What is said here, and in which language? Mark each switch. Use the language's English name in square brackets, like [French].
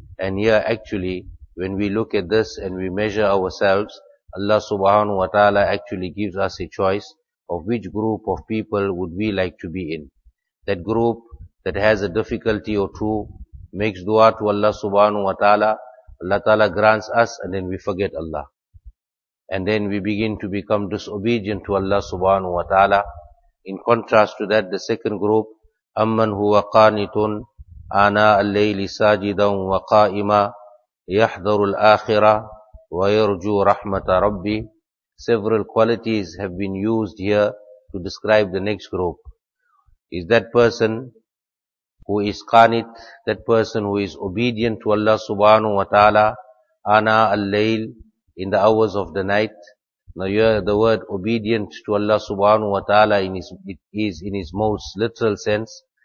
[English] And here actually, when we look at this and we measure ourselves, Allah subhanahu wa ta'ala actually gives us a choice of which group of people would we like to be in. That group that has a difficulty or two makes dua to Allah subhanahu wa ta'ala, Allah ta'ala grants us, and then we forget Allah. And then we begin to become disobedient to Allah subhanahu wa ta'ala. In contrast to that, the second group, [Arabic] أَمَّنْ هُوَ قَانِتٌ آنَاءَ اللَّيْلِ سَاجِدًا وَقَائِمًا يَحْذَرُ الْآخِرَةِ وَيَرْجُو رَحْمَةَ رَبِّهِ. [English] Several qualities have been used here to describe the next group. Is that person who is qanit, that person who is obedient to Allah subhanahu wa ta'ala, [Arabic] ana al-layl, [English] in the hours of the night. Now here the word obedient to Allah subhanahu wa ta'ala is in his most literal sense.